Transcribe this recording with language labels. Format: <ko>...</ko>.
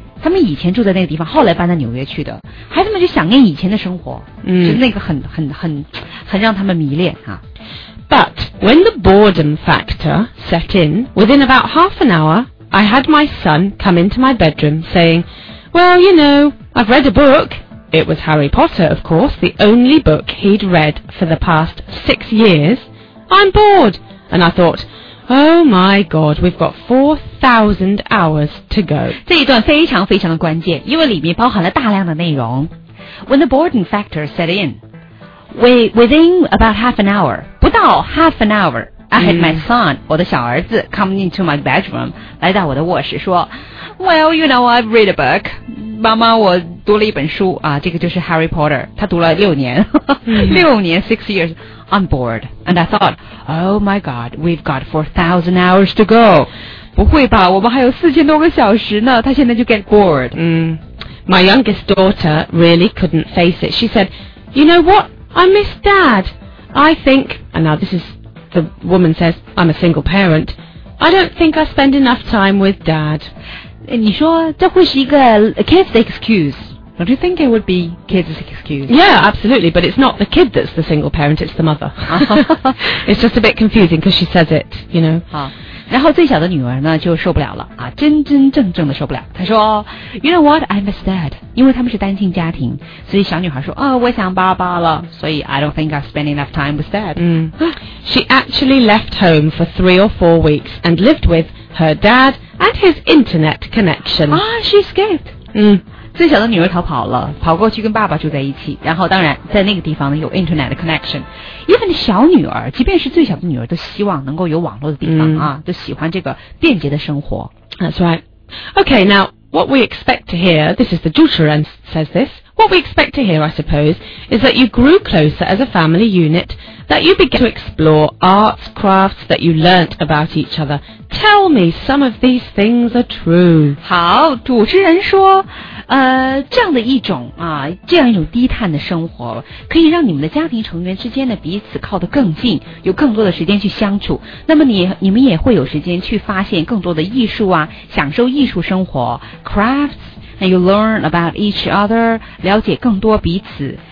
<zh>他们以前住在那个地方，后来搬到纽约去的。孩子们就想念以前的生活，嗯，就那个很让他们迷恋啊。</zh> <en>But when the boredom factor set in, within about half an hour, I had my son come into my bedroom saying, "Well, you know, I've read a book." It was Harry Potter, of course, the only book he'd read for the past 6 years. I'm bored, and I thought. Oh my God, we've got 4,000 hours to go.</en> <zh>这一段非常非常的关键，因为里面包含了大量的内容。</zh> <en>When the boredom factor set in, within about half an hour,</en> <zh>不到</zh> <en>half an hour, I had my son,</en> <zh>我的小儿子</zh> <en>come into my bedroom,</en> <zh>来到我的卧室说</zh> <en>Well, you know, I've read a book.</en> <zh>妈妈，我读了一本书啊，这个就是 Harry Potter, 他读了六年，六年</zh> <en>six years. I'm bored, and I thought, oh my God, we've got 4,000 hours to go.</en> <zh>不会吧，我们还有四千多个小时呢，他现在就</zh> <en>get bored. Mm. My youngest daughter really couldn't face it. She said, you know what, I miss Dad. I think, and now this is, the woman says, I'm a single parent. I don't think I spend enough time with Dad.</en> <zh>你说这会是一个</zh> <en>kid's excuse? Don't you think it would be kids' excuse? Yeah, absolutely. But it's not the kid that's the single parent, it's the mother. It's just a bit confusing because she says it, you know.</en> <zh>好，然后最小的女儿呢就受不了了啊，真真正正的受不了。她说</zh> <en>，You know what? I miss Dad.</en> <zh>因为他们是单亲家庭，所以小女孩说，哦，我想爸爸了。所以</zh> <en>I don't think I spend enough time with Dad. She actually left home for 3 or 4 weeks and lived with her dad and his internet connection. Ah, she escaped.</en> <zh>最小的女儿逃跑了，跑过去跟爸爸住在一起，然后当然在那个地方呢有 internet connection， 因为小女儿即便是最小的女儿都希望能够有网络的地方啊，都喜欢这个便捷的生活。</zh> <en>That's right. Okay, now what we expect to hear, this is the Jutran says this, what we expect to hear I suppose is that you grew closer as a family unit, that you began to explore arts, crafts, that you learnt about each other. Tell me some of these things are true.</en> <zh>好，主持人说这样的一种啊，这样一种低碳的生活，可以让你们的家庭成员之间呢彼此靠得更近，有更多的时间去相处。那么你们也会有时间去发现更多的艺术啊，享受艺术生活 ，</zh> <en>crafts， and you learn about each other，</en> <zh>了解更多彼此。</zh>